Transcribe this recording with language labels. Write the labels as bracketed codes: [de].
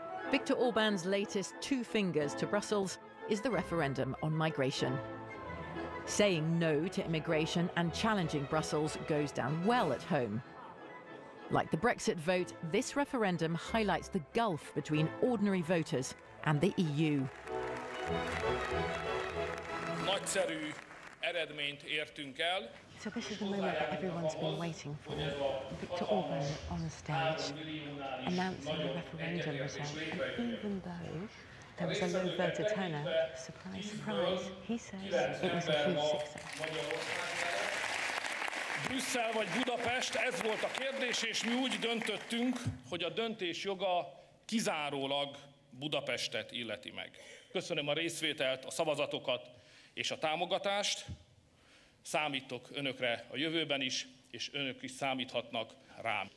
[en] Viktor Orbán's latest two fingers to Brussels is the referendum on migration. Saying no to immigration and challenging Brussels goes down well at home. Like the Brexit vote, this referendum highlights the gulf between ordinary voters and the EU. [hu] Nagyszerű eredményt értünk el. [en] So this is the moment that everyone's been waiting for. Viktor Orbán on the stage announcing the referendum result. And even though there was a low voter turnout, surprise, surprise, he says it was a huge success. [hu] Brüsszel vagy Budapest, ez volt a kérdés, és mi úgy döntöttünk, hogy a döntés joga kizárólag Budapestet illeti meg. Köszönöm a részvételt, a szavazatokat és a támogatást. Számítok önökre a jövőben is, és önök is számíthatnak rám.